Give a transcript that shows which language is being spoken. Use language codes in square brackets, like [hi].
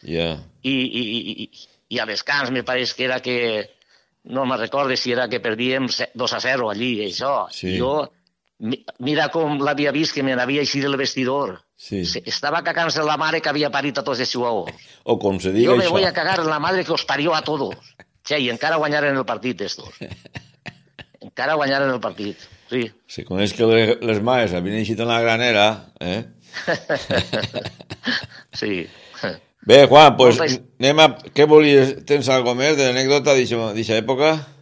[en] Yeah. [ca] I a descans me pareix que era que, no me'n recordo si era que perdíem 2-0 allí i això. Sí. Jo, mira com l'havia vist, que me n'havia eixit el vestidor. Sí. Estava cagant-se la mare que havia parit a tots els jugadors. O com se diga [es] això. Jo me voy a cagar en la madre que os parió a todos. [ca] Che, i encara guanyaren el partit, estos. Encara guanyaren el partit, sí. Se coneix que les mares havien eixit en la granera, eh? Sí. Bé, Juan, pues anem a... Què volies? Tens alguna cosa més d'anècdota d'aquesta època?